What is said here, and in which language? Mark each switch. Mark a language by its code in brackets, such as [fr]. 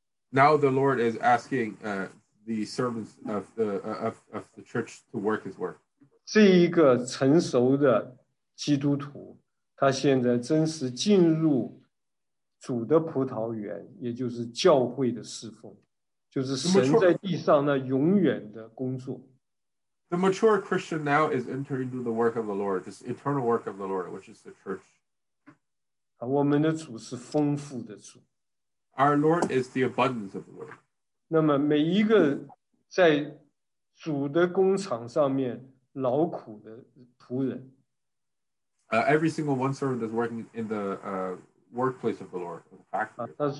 [en] Now the Lord is asking the servants of the church to work his work. [zh] 这一个成熟的基督徒, 他现在真实进入主的葡萄园，也就是教会的侍奉，就是神在地上那永远的工作。The [en] mature Christian now is entering into the work of the Lord, this eternal work of the Lord, which is the church. [zh] 我们的主是丰富的主。Our [en] Lord is the abundance of the Lord. [zh] 那么每一个在主的工厂上面劳苦的仆人。 [en] Every single one servant is working in the workplace of the Lord, the factory.